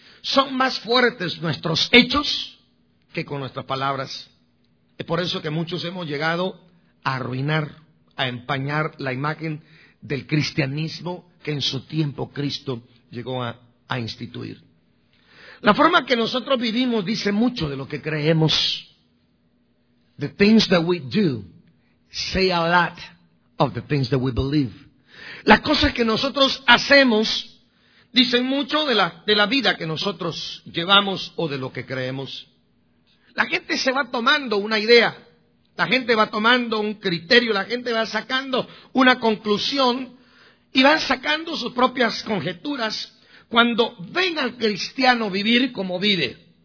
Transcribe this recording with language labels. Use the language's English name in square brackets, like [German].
[Spanish] Son más fuertes nuestros hechos que con nuestras palabras. Es por eso que muchos hemos llegado a arruinar, a empañar la imagen del cristianismo que en su tiempo Cristo llegó a instituir. La forma que nosotros vivimos dice mucho de lo que creemos. [English] The things that we do say a lot of the things that we believe. [Spanish] Las cosas que nosotros hacemos dicen mucho de la vida que nosotros llevamos o de lo que creemos. La gente se va tomando una idea, la gente va tomando un criterio, la gente va sacando una conclusión y va sacando sus propias conjeturas cuando ven al cristiano vivir como vive.